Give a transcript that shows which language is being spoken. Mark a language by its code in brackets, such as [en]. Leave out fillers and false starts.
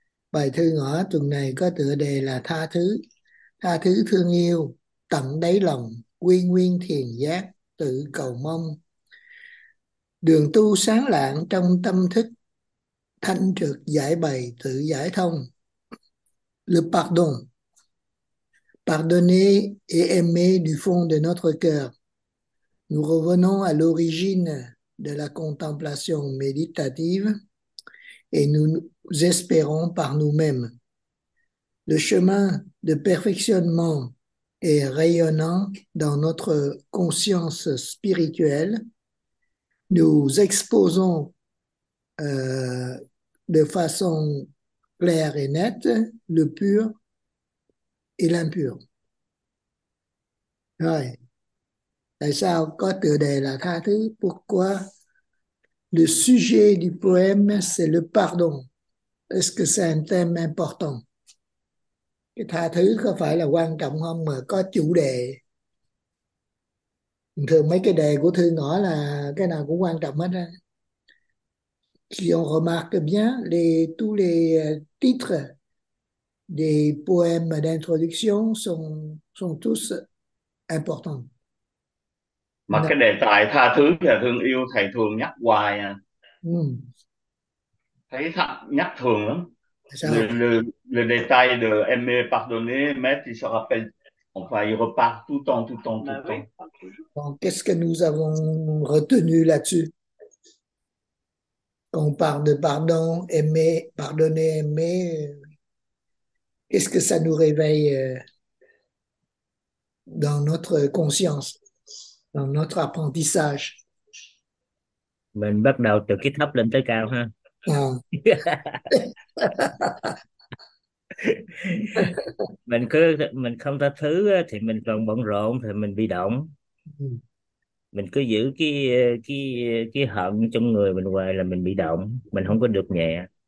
[vi] Bài thơ ngõ tuần này có tựa đề là Tha Thứ. Tha thứ thương yêu, tận đáy lòng, quy nguyên thiền giác, tự cầu mong. Đường tu sáng lạng trong tâm thức, thanh trực giải bày tự giải thông. [fr] Le pardon. Pardonner et aimer du fond de notre cœur. Nous revenons à l'origine de la contemplation méditative et nous espérons par nous-mêmes. Le chemin de perfectionnement est rayonnant dans notre conscience spirituelle. Nous exposons de façon claire et nette le pur et l'impur. Ouais. [vi] Tại sao có tựa đề là tha thứ? [fr] Pourquoi le sujet du poème, c'est le pardon? Est-ce que c'est un thème important? [vi] Cái tha thứ có phải là quan trọng không mà có chủ đề? Thường mấy cái đề của thư ngõ là cái nào cũng quan trọng hết á. [fr] Si on remarque bien, tous les titres des poèmes d'introduction sont tous importants. [vi] Mà cái đề tài tha thứ và thương yêu thầy thường nhắc hoài à. Thấy nhắc thường lắm. Sao? [fr] Le détail de aimer pardonner mais il se rappelle on va y repart tout le temps tout le temps tout le temps. Bon, qu'est-ce que nous avons retenu là-dessus? Quand on parle de pardon, aimer, pardonner, aimer, qu'est-ce que ça nous réveille dans notre conscience? Dans notre apprentissage. [vi] Mình bắt đầu từ cái thấp lên tới cao ha. Mình không tha thứ thì mình còn bận rộn thì mình bị động, mình cứ giữ cái hận trong người mình hoài là mình bị động, mình không có được nhẹ.